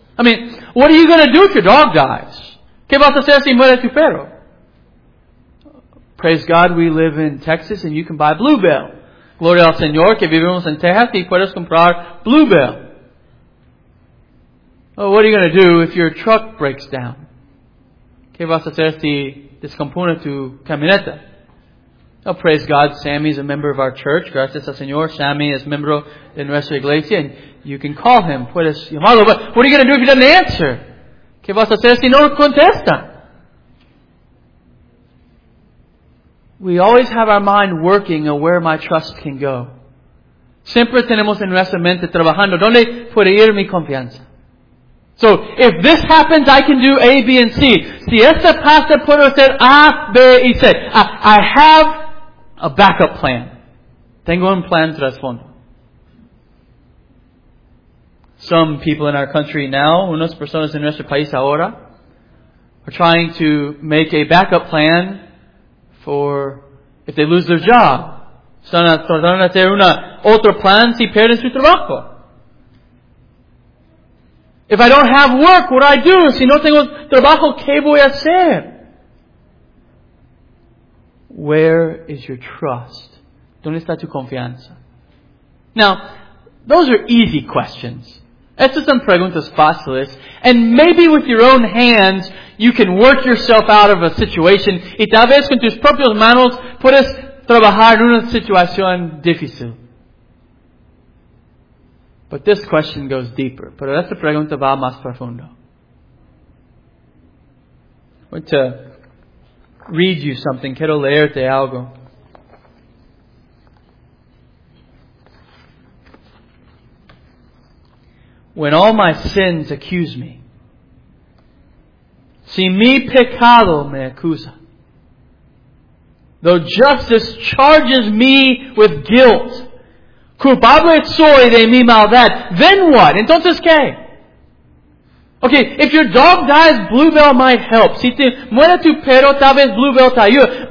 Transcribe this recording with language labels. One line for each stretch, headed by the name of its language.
English: I mean, what are you going to do if your dog dies?
Spanish: ¿Qué vas a hacer si muere tu perro?
English: Praise God, we live in Texas and you can buy Bluebell.
Spanish: Gloria al Señor que vivimos en Texas y puedes comprar Bluebell.
English: Well, what are you going to do if your truck breaks down?
Spanish: ¿Qué vas a hacer si descompone tu camioneta?
English: Oh, praise God, Sammy is a member of our church.
Spanish: Gracias al Señor, Sammy es miembro de nuestra iglesia.
English: And you can call him.
Spanish: Puedes llamarlo.
English: But what are you going to do if he doesn't answer?
Spanish: ¿Qué vas a hacer si no contesta?
English: We always have our mind working on where my trust can go.
Spanish: Siempre tenemos en nuestra mente trabajando. ¿Dónde puede ir mi confianza?
English: So, if this happens, I can do A, B, and C.
Spanish: Si este pastor puede hacer A, B, y C.
English: I have a backup plan.
Spanish: Tengo un plan trasfondo.
English: Some people in our country now,
Spanish: unas personas en nuestro país ahora,
English: are trying to make a backup plan for if they lose their job.
Spanish: Están tratando de hacer una otro plan si pierden su trabajo.
English: If I don't have work, what do I do?
Spanish: Si no tengo trabajo, ¿qué voy a hacer?
English: Where is your trust?
Spanish: ¿Dónde está tu confianza?
English: Now, those are easy questions.
Spanish: Estas son preguntas fáciles.
English: And maybe with your own hands, you can work yourself out of a situation.
Spanish: Y tal vez con tus propias manos, puedes trabajar en una situación difícil.
English: But this question goes deeper.
Spanish: Pero esta pregunta va más profundo.
English: I want to read you something.
Spanish: Quiero leerte algo.
English: When all my sins accuse me,
Spanish: si mi pecado me acusa,
English: though justice charges me with guilt,
Spanish: culpable soy de mi maldad.
English: Then what?
Spanish: Entonces, ¿qué?
English: Okay, if your dog dies, Bluebell might help.
Spanish: Si te muere tu perro, tal vez Bluebell te ayude.